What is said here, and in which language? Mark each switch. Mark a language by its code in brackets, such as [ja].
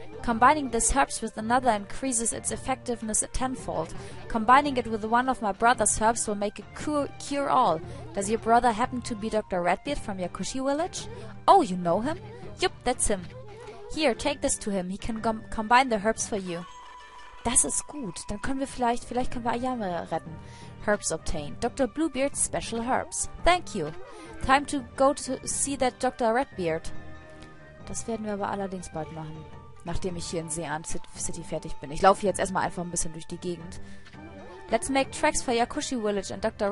[en] Combining this herbs with another increases its effectiveness tenfold. Combining it with one of my brother's herbs will make a cure all. Does your brother happen to be Dr. Redbeard from Yakushi Village? Oh, you know him? Yup, that's him. Here, take this to him. He can combine the herbs for you. [de] Das ist gut. Dann können wir vielleicht können wir Ayame retten. [en] Herbs obtained. Dr. Bluebeard's special herbs. Thank you. Time to go to see that Dr. Redbeard. [de] Das werden wir aber allerdings bald machen, nachdem ich hier in Sean City fertig bin. Ich laufe jetzt erstmal einfach ein bisschen durch die Gegend. [en] Let's make tracks for Yakushi Village and Dr.